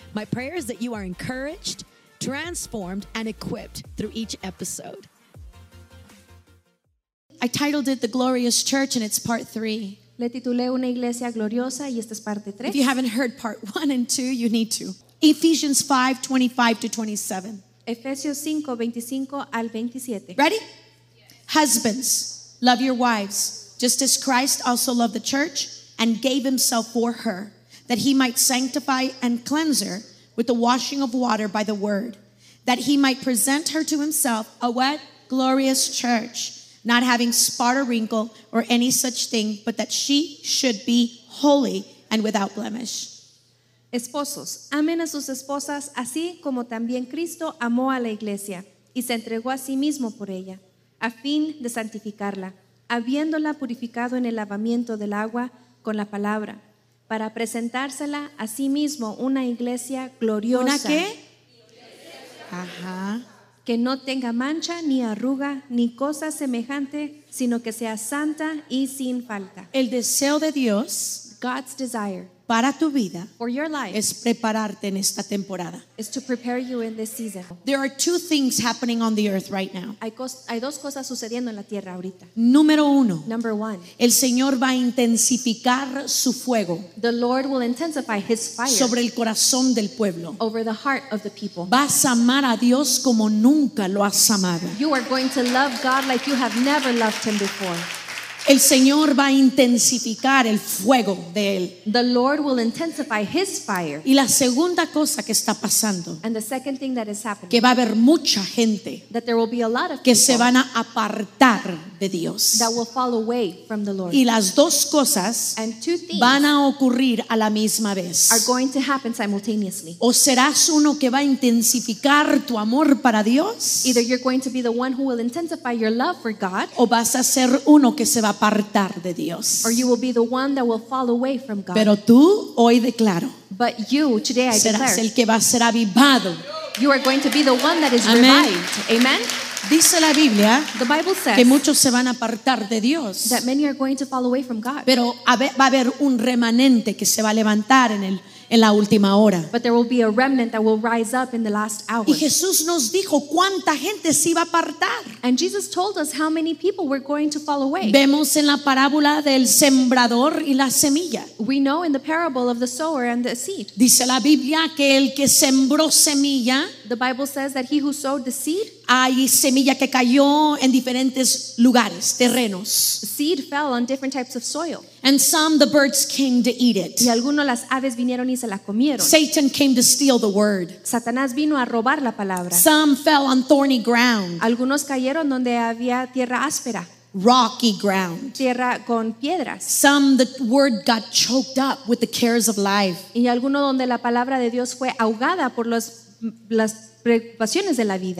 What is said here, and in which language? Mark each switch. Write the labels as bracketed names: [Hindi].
[English] My prayer is that you are encouraged, transformed, and equipped through each episode. I titled it The Glorious Church, and it's part three. [Spanish] Le titulé Una Iglesia Gloriosa y esta es parte tres. [English] If you haven't heard part one and two, you need to. Ephesians 5, 25 to 27. [Spanish] Efesios 5, 25 al 27. [English] Ready? Yes. Husbands, love your wives, just as Christ also loved the church and gave himself for her, that he might sanctify and cleanse her with the washing of water by the word, that he might present her to himself a what? Glorious church, not having spot or wrinkle or any such thing, but that she should be holy and without blemish. [Spanish] Esposos, amen a sus esposas así como también Cristo amó a la iglesia y se entregó a sí mismo por ella, a fin de santificarla, habiéndola purificado en el lavamiento del agua con la palabra, para presentársela a sí mismo una iglesia gloriosa. ¿Una qué? Ajá. Que no tenga mancha, ni arruga, ni cosa semejante, sino que sea santa y sin falta. El deseo de Dios, [English] God's desire, [Spanish] para tu vida, [English] for your life, [Spanish] es prepararte en esta temporada. [English] Is to prepare you in this season. There are two things happening on the earth right now. [Spanish] Hay dos cosas sucediendo en la tierra ahorita. Número uno. [English] Number one. [Spanish] El Señor va a intensificar su fuego. [English] The Lord will intensify his fire. [Spanish] Sobre el corazón del pueblo. [English] Over the heart of the people. [Spanish] Vas a amar a Dios como nunca lo has amado. [English] You are going to love God like you have never loved him before. [Spanish] El Señor va a intensificar el fuego de él. [English] The Lord will intensify his fire. [Spanish] Y la segunda cosa que está pasando, [English] and the second thing that is happening, [Spanish] que va a haber mucha gente, [English] that there will be a lot of [Spanish] que [English] people, [Spanish] se van a apartar de Dios, [English] that will fall away from the Lord. [Spanish] Y las dos cosas, [English] and two things, [Spanish] van a ocurrir a la misma vez, [English] are going to happen simultaneously. [Spanish] O serás uno que va a intensificar tu amor para Dios, [English] either you're going to be the one who will intensify your love for God, [Spanish] o vas a ser uno que se va a apartar de Dios. [English] Or you will be the one that will fall away from God. [Spanish] Pero tú hoy declaro. [English] But you today I [Spanish] serás [English] declare. [Spanish] El que va a ser avivado. [English] You are going to be the one that is revived. Amen. [Spanish] Dice la Biblia, [English] the Bible says, [Spanish] que muchos se van a apartar de Dios. [English] That many are going to fall away from God. [Spanish] Pero va a haber un remanente que se va a levantar en la última hora. [English] But there will be a remnant that will rise up in the last hour. [Spanish] Y Jesús nos dijo cuánta gente se iba a apartar. [English] And Jesus told us how many people were going to fall away. [Spanish] Vemos en la parábola del sembrador y la semilla. [English] We know in the parable of the sower and the seed. [Spanish] Dice la Biblia que el que sembró semilla, [English] the Bible says that he who sowed the seed, [Spanish] hay semilla que cayó en diferentes lugares, terrenos. [English] Seed fell on different types of soil. And some the birds came to eat it. [Spanish] Y algunos las aves vinieron y se la comieron. [English] Satan came to steal the word. [Spanish] Satanás vino a robar la palabra. [English] Some fell on thorny ground. [Spanish] Algunos cayeron donde había tierra áspera. [English] Rocky ground. [Spanish] Tierra con piedras. [English] Some the word got choked up with the cares of life. [Spanish] Y algunos donde la palabra de Dios fue ahogada por las preocupaciones de la vida.